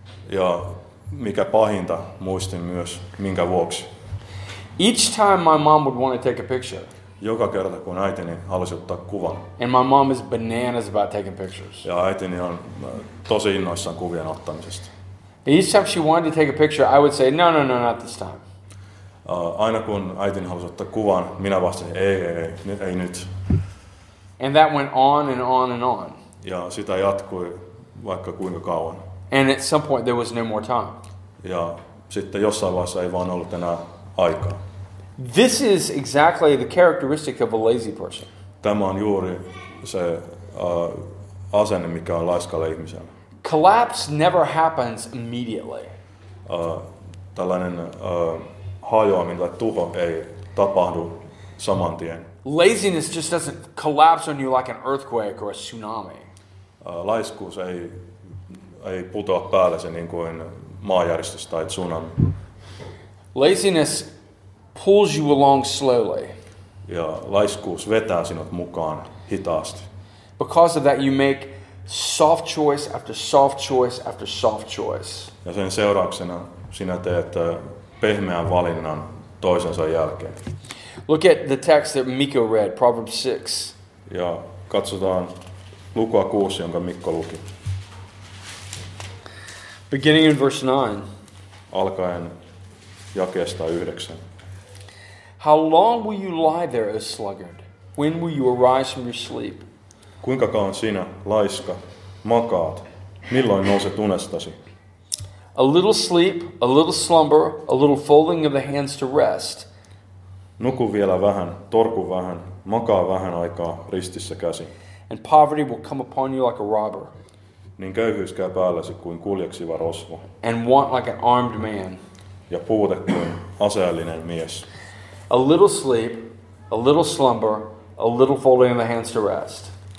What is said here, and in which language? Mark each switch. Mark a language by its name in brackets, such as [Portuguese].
[Finnish] Ja mikä pahinta, muistin myös minkä vuoksi. [English] Each time my mom would want to take a picture. [Finnish] Joka kerta, kun äitini halusi ottaa kuvan. [English] And my mom is bananas about taking pictures. [Finnish] Ja äitini on tosi innoissaan kuvien ottamisesta. [English] Each time she wanted to take a picture, I would say, no, no, no, not this time. [Finnish] Aina kun äitini halusi ottaa kuvan, minä vastasin, ei nyt. [English] And that went on and on and on. [Finnish] Ja sitä jatkui vaikka kuinka kauan. [English] And at some point there was no more time. [Finnish] Ja sitten jossain vaiheessa ei vaan ollut enää aikaa. [English] This is exactly the characteristic of a lazy person. [Finnish] Tämä on juuri se asenne, mikä on laiskalle ihmiselle. [English] Collapse never happens immediately. [Finnish] Tällainen hajoaminen tai tuho ei tapahdu saman tien. [English] Laziness just doesn't collapse on you like an earthquake or a tsunami. [Finnish] Laiskuus ei putoa päällesi niin kuin maanjäristys tai tsunami. [English] Laziness pulls you along slowly. [Finnish] Ja laiskuus vetää sinut mukaan hitaasti. [English] Because of that you make soft choice after soft choice after soft choice. [Finnish] Ja sen seurauksena sinä teet pehmeän valinnan toisensa jälkeen. [English] Look at the text that Mikko read, Proverbs 6. [Finnish] Ja katsotaan lukua 6, jonka Mikko luki. [English] Beginning in verse 9. [Finnish] Alkaen jakeesta 9. [English] How long will you lie there, O sluggard? When will you arise from your sleep? [Finnish] Kuinka kauan sinä, laiska, makaat? Milloin nouset unestasi? [English] A little sleep, a little slumber, a little folding of the hands to rest. [Finnish] Nuku vielä vähän, torku vähän, makaa vähän aikaa ristissä käsi. [English] And poverty will come upon you like a robber. [Finnish] Niin köyhyys käy päälläsi kuin kuljeksiva rosvo. [English] And want like an armed man. [Finnish] Ja puute kuin aseellinen mies. [English] A little sleep, a little slumber, a little folding of the hands to rest.